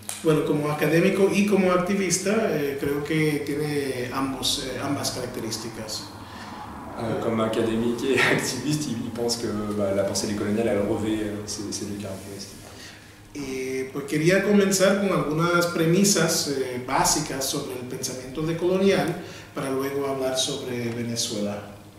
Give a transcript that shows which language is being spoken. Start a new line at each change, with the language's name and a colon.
Spanish: Bueno, como académico y como activista, creo que tiene ambas características.
French: Comme
Spanish: académico y activista,
French: ils pensent que la pensée décoloniale elle revêt ces deux caractéristiques.
Spanish: Pues quería comenzar con algunas premisas básicas sobre el pensamiento decolonial para luego hablar sobre Venezuela.